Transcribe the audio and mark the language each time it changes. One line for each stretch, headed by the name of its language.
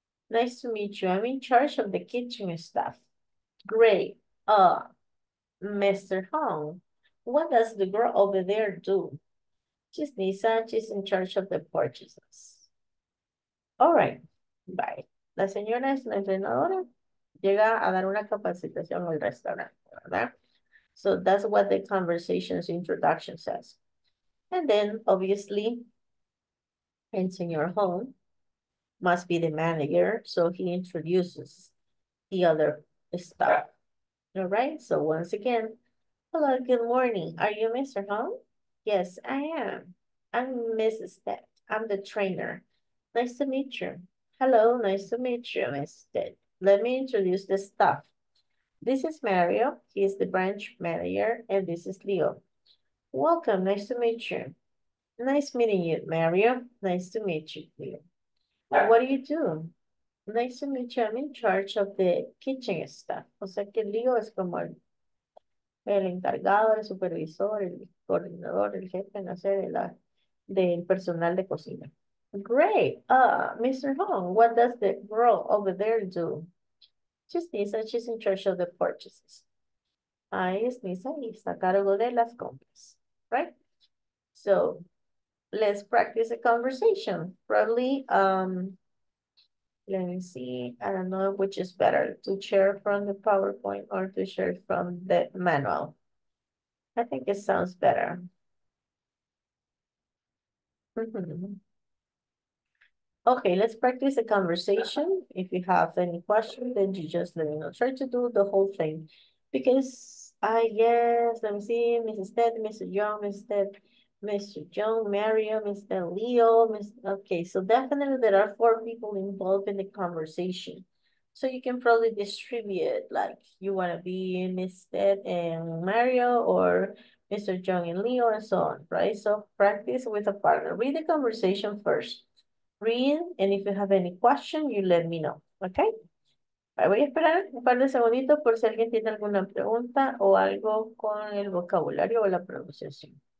English: Nice to meet you. I'm in charge of the kitchen staff. Great. Mr. Hong, what does the girl over there do? She's Nisa, she's in charge of the purchases. All right, bye.
Spanish: La señora es la entrenadora. Llega a dar una capacitación al restaurante, ¿verdad?
English: So that's what the conversation's introduction says. And then, obviously, el señor Hong must be the manager, so he introduces the other staff. All right, so once again, hello, good morning. Are you Mr. Hong? Yes, I am. I'm Mrs. Ted. I'm the trainer. Nice to meet you. Hello, nice to meet you, Mrs. Ted. Let me introduce the staff. This is Mario. He is the branch manager, and this is Leo. Welcome, nice to meet you. Nice meeting you, Mario. Nice to meet you here. What do you do? Nice to meet you. I'm in charge of the kitchen staff.
Spanish: O sea, que Leo es como el encargado, el supervisor, el coordinador, el jefe, no sé, de la, del personal de cocina.
English: Great. Mr. Hong, what does the girl over there do? She's Nisa. She's in charge of the purchases.
Spanish: Ahí es Nisa y está a cargo de las compras.
English: Right? So, let's practice a conversation. Probably, let me see. I don't know which is better, to share from the PowerPoint or to share from the manual. I think it sounds better. Okay, let's practice a conversation. If you have any questions, then you just let me know. Try to do the whole thing. Because, yes, let me see, Mrs. Ted, Mr. Young, Mrs. Ted, Mr. Jung, Mario, Mr. Leo, okay, so definitely there are four people involved in the conversation. So you can probably distribute, like, you want to be Mrs. Ted and Mario, or Mr. Jung and Leo, and so on, right? So practice with a partner. Read the conversation first. Read, and if you have any question, you let me know, okay?
Spanish: Right, voy a esperar un par de segunditos por si alguien tiene alguna pregunta o algo con el vocabulario o la pronunciación.